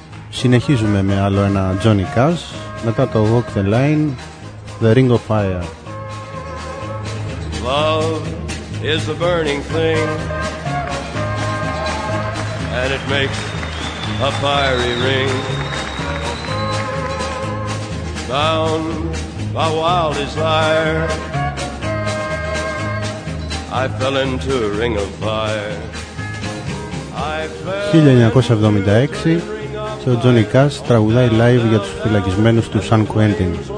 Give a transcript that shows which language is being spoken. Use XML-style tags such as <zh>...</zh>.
<el>Συνεχίζουμε με άλλο ένα Johnny Cash. Μετά το Walk the Line, The Ring of Fire.</el> <en>Love is a burning thing, and it makes a fiery ring. Bound by wild desire, I fell into a ring of fire.</en> <el>1976, και ο Johnny Cash τραγουδάει live για τους φυλακισμένους του San Quentin.</el>